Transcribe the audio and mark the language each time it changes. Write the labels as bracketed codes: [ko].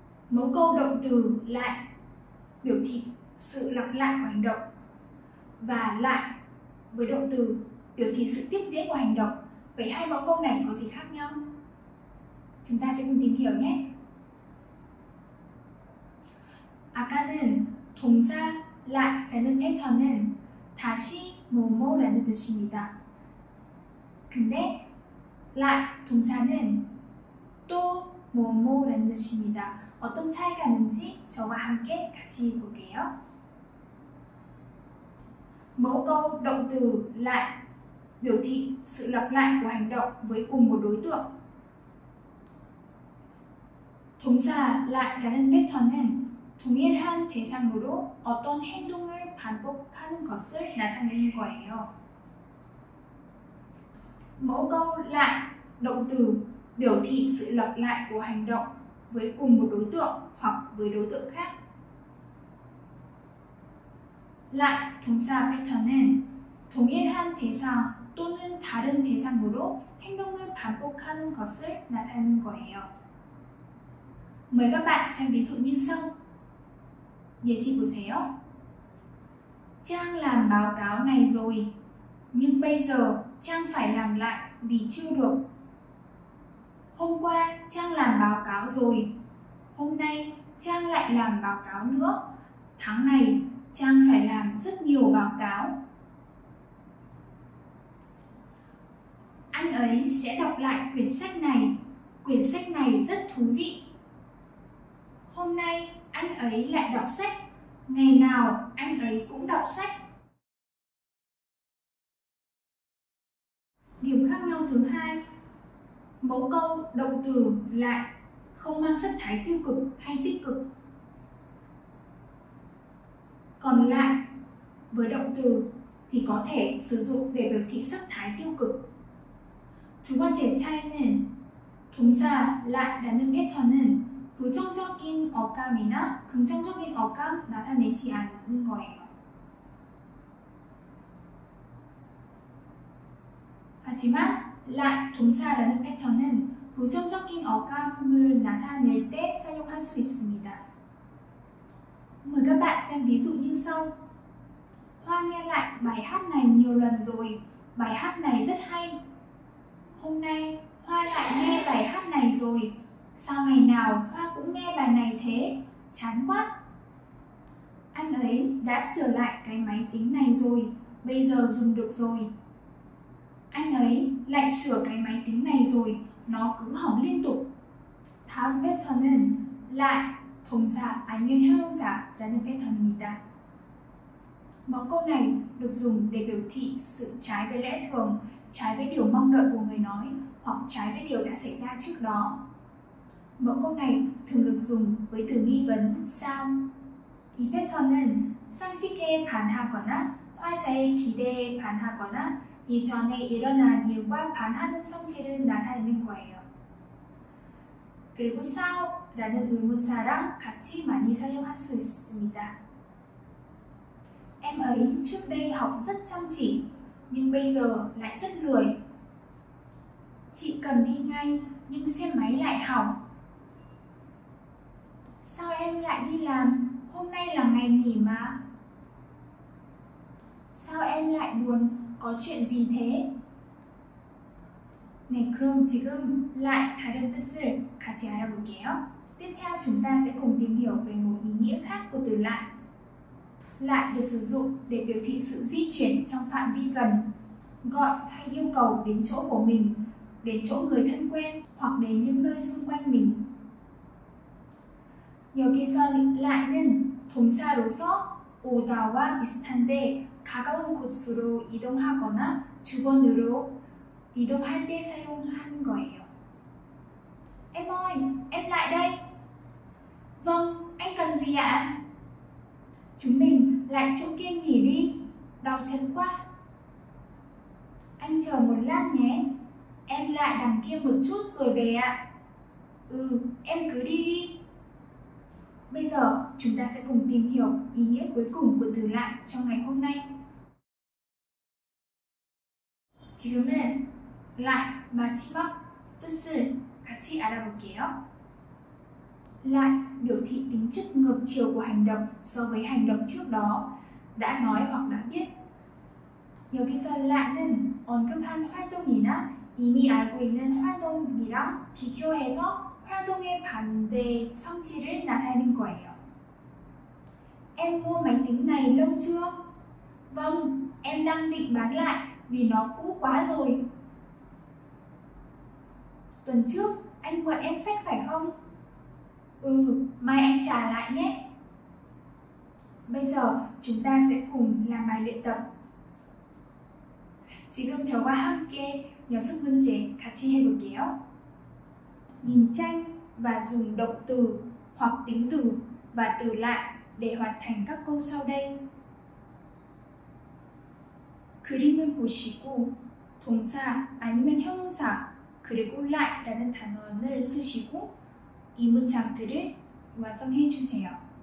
[vi] Mẫu câu động từ lại biểu thị sự lặp lại của hành động, và lại với động từ biểu thị sự tiếp diễn của hành động, Vậy hai mẫu câu này có gì khác nhau? Chúng ta sẽ cùng tìm hiểu nhé. [ko] 아까는 동사 like라는 패턴은 다시 뭐뭐라는 뜻입니다. 근데 like 동사는 또 뭐뭐라는 뜻입니다. 어떤 차이가 있는지 저와 함께 같이 볼게요. [vi] Mẫu câu động từ lại biểu thị sự lặp lại của hành động với cùng một đối tượng. [ko] 동사 lại라는 패턴은 동일한 대상으로 어떤 행동을 반복하는 것을 나타내는 거예요. [vi] Mẫu câu lại động từ biểu thị sự lặp lại của hành động với cùng một đối tượng hoặc với đối tượng khác. [ko] Lại 동사 패턴은 동일한 대상 또는 다른 대상으로 행동을 반복하는 것을 나타내는 거예요. [vi] Mời các bạn xem ví dụ như sau. [ko] 예시 보세요. [vi] Trang làm báo cáo này rồi, nhưng bây giờ Trang phải làm lại vì chưa được. Hôm qua Trang làm báo cáo rồi, hôm nay Trang lại làm báo cáo nữa. Tháng này Trang phải làm rất nhiều báo cáo. Anh ấy sẽ đọc lại quyển sách này. Quyển sách này rất thú vị. Hôm nay anh ấy lại đọc sách. Ngày nào anh ấy cũng đọc sách. Điểm khác nhau thứ hai. Mẫu câu động từ lại không mang sắc thái tiêu cực hay tích cực. Còn lại với động từ thì có thể sử dụng để biểu thị sắc thái tiêu cực. [ko] 두 번째 차이는 동사 lại라는 패턴은 부정적인 어감이나 긍정적인 어감 나타내지 않는 거예요. 하지만 like 동사라는 패턴은 부정적인 어감을 나타낼 때 사용할 수 있습니다. [vi] Mời các bạn xem ví dụ như sau. Hoa nghe lại bài hát này nhiều lần rồi. Bài hát này rất hay. Hôm nay Hoa lại nghe bài hát này rồi. Sao ngày nào Hoa cũng nghe bài này thế? Chán quá! Anh ấy đã sửa lại cái máy tính này rồi. Bây giờ dùng được rồi. Anh ấy lại sửa cái máy tính này rồi. Nó cứ hỏng liên tục. [ko] 다음 패턴은 lại 동사 아니면 형용사라는 패턴입니다. [vi] 뭐 câu này được dùng để biểu thị sự trái với lẽ thường, trái với điều mong đợi của người nói hoặc trái với điều đã xảy ra trước đó. Mẫu câu này thường được dùng với từ nghi vấn sao. [ko] 이 패턴은 상식에 반하거나 화자의 기대에 반하거나 이전에 일어난 일과 반하는 성질을 나타내는 거예요. 그리고 sao라는 의문사랑 같이 많이 사용할 수 있습니다. [vi] Em ấy trước đây học rất chăm chỉ, nhưng bây giờ lại rất lười. Chị cần đi ngay, nhưng xe máy lại hỏng. Sao em lại đi làm? Hôm nay là ngày nghỉ mà. Sao em lại buồn? Có chuyện gì thế? [ko] 네, 그럼 지금 lại 다른 뜻을 같이 알아볼게요. [vi] Tiếp theo chúng ta sẽ cùng tìm hiểu về một ý nghĩa khác của từ lại. Lại được sử dụng để biểu thị sự di chuyển trong phạm vi gần, gọi hay yêu cầu đến chỗ của mình, đến chỗ người thân quen hoặc đến những nơi xung quanh mình. [ko] 여기서 lại는 동사로서 오다와 비슷한데 가까운 곳으로 이동하거나 주변으로 이동할 때 사용하는 거예요. [vi] Em ơi, em lại đây. Vâng, anh cần gì ạ? Chúng mình lại chỗ kia nghỉ đi. Đau chân quá. Anh chờ một lát nhé. Em lại đằng kia một chút rồi về ạ. Ừ, em cứ đi đi. Bây giờ chúng ta sẽ cùng tìm hiểu ý nghĩa cuối cùng của từ lại trong ngày hôm nay. [ko] 지금은 lại 마지막 뜻을 같이 알아볼게요. [vi] Lại biểu thị tính chất ngược chiều của hành động so với hành động trước đó, đã nói hoặc đã biết. [ko] 여기서 lại는 언급한 활동이나 이미 알고 있는 활동이랑 비교해서 활동의 반대 성취를 나타내는 거예요. [vi] Em mua máy tính này lâu chưa? Vâng, em đang định bán lại vì nó cũ quá rồi. Tuần trước anh mượn em sách phải không? Ừ, mai anh trả lại nhé. Bây giờ chúng ta sẽ cùng làm bài luyện tập. [ko] 지금 저와 함께 6 문제 같이 해볼게요. [vi] 인 tranh và dùng động từ hoặc tính từ và từ lại để hoàn thành các câu sau đây. [ko] 그림을 보시고 동사 아니면 형용사 그리고 like라는 단어를 쓰시고 이 문장들을 완성해 주세요.